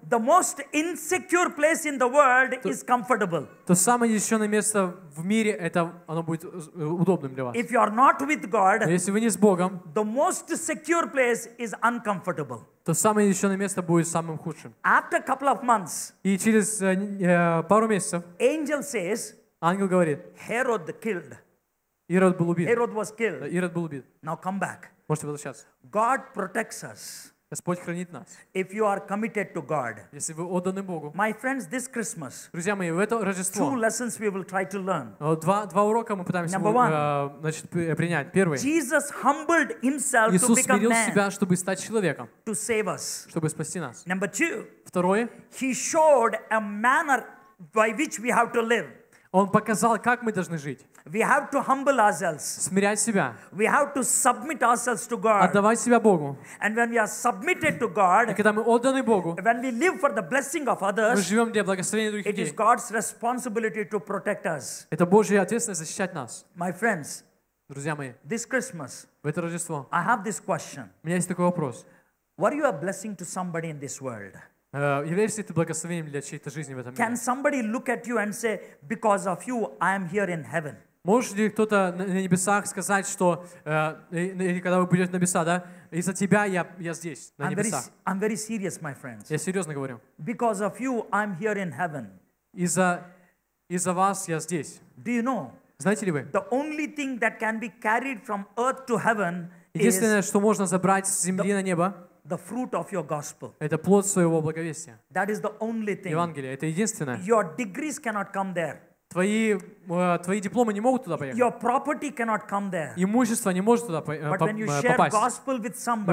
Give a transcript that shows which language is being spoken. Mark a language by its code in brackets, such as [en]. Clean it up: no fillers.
[en] the most insecure place in the world is comfortable. [ru] То самое защищенное место в мире, это оно будет удобным для вас. [en] If you are not with God, [ru] если вы не с Богом, [en] the most secure place is uncomfortable. [ru] То самое защищенное место будет самым худшим. [en] After a couple of months, [ru] и через пару месяцев, [en] angel says, [ru] ангел говорит, [en] Herod killed. [ru] Ирод был убит. [en] Herod was killed. [ru] Ирод был убит. [en] Now come back. [ru] Можете возвращаться. [en] God protects us. [ru] Господь хранит нас. [en] If you are committed to God. [ru] Если вы отданы Богу. [en] My friends, this Christmas. [ru] Друзья мои, в это Рождество. [en] Two lessons we will try to learn. [ru] Два урока мы пытаемся принять. Первый. [en] Jesus humbled himself [ru] Иисус [en] to become man. [ru] Себя, чтобы стать человеком. [en] To save us. [ru] Чтобы спасти нас. [en] Number two. [ru] Второе. [en] He showed a manner by which we have to live. [ru] Он показал, как мы должны жить. [en] We have to humble ourselves. [ru] Смирять себя. [en] We have to submit ourselves to God. [ru] Отдавать себя Богу. [en] And when we are submitted to God, [ru] и когда мы отданы Богу, [en] when we live for the blessing of others, [ru] мы живем для благословения других людей. [en] It is God's responsibility to protect us. [ru] Это Божья ответственность защищать нас. [en] My friends, [ru] друзья мои, [en] this Christmas, [ru] в это Рождество, [en] I have this question. [ru] У меня есть такой вопрос. [en] What are you a blessing to somebody in this world? [ru] Являешься ли ты благословением для чьей-то жизни в этом мире? [en] Can somebody look at you and say, because of you, I am here in heaven? [ru] Может ли кто-то на небесах сказать, что когда вы будете на небеса, да, из-за тебя я здесь, на небесах. [en] I'm very serious, my friends. [ru] Я серьезно говорю. [en] Because of you, I'm here in heaven. [ru] Из-за вас я здесь. [en] Do you know? [ru] Знаете ли вы? [en] The only thing that can be carried from earth to heaven is [ru] единственное, что можно забрать с земли на небо, [en] the fruit of your gospel. [ru] Это плод своего благовестия. [en] That is the only thing. [ru] Евангелие, это единственное. [en] Your degrees cannot come there. [ru] Твои дипломы не могут туда поехать. [en] Your property cannot come there. [ru] Имущество не может туда попасть. [en] But when you share gospel with somebody,